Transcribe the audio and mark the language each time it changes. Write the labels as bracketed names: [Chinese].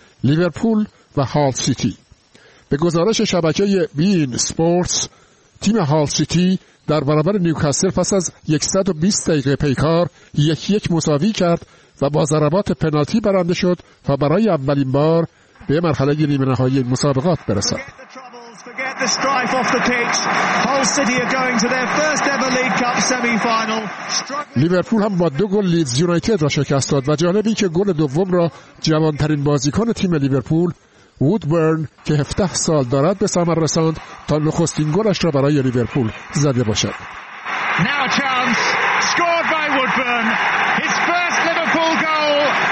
[Persian] لیورپول و هال سیتی. به گزارش شبکه بین سپورتس، تیم هال سیتی در برابر نیوکاسل پس از 120 دقیقه پیکار 1-1 مساوی کرد و با ضربات پنالتی برنده شد و برای اولین بار به مرحله نیمه نهایی مسابقات برسد. [English] Forget the strife off the pitch. Hull City are going to their first ever League Cup semi-final. [Persian] لیورپول هم با 2 گل لیدز یونایتد را شکست داد و جالب این که گل دوم را جوانترین بازیکن تیم لیورپول وودبرن که 17 سال دارد به ثمر رساند تا نخستین گلش را برای لیورپول زده باشد. [English] Now a chance scored by Woodburn. His first Liverpool goal.